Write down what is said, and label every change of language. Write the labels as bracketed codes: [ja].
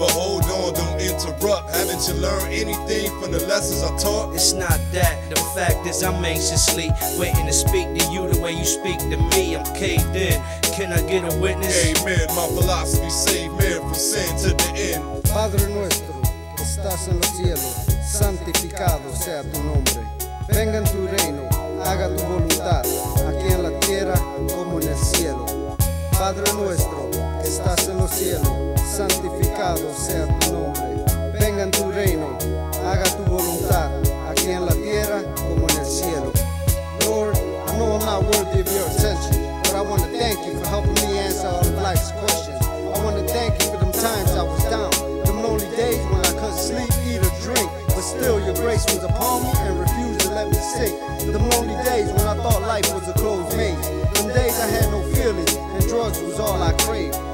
[en] but hold on, don't interrupt. Haven't you learned anything from the lessons I taught? It's not that, the fact is I'm anxiously waiting to speak to you the way you speak to me. I'm caved in, can I get a witness? Amen, my philosophy saved man from sin to the end. [es] Padre nuestro, que estás en los cielos, santificado sea tu nombre. Venga en tu reino, haga tu voluntad, aquí en la tierra como en el cielo. Padre nuestro, que estás en los cielos, santificado sea tu nombre. Venga en tu reino, haga tu voluntad, aquí en la tierra como en el cielo. [en] Lord, I know I'm not worthy of your attention, but I want to thank you for helping me answer all of life's questions. I want to thank you for them times I was down, them lonely days when I couldn't sleep, eat or drink, but still your grace was upon me and refused to let me sink. Them lonely days when I thought life was a closed maze, them days I had no feelings and drugs was all I craved.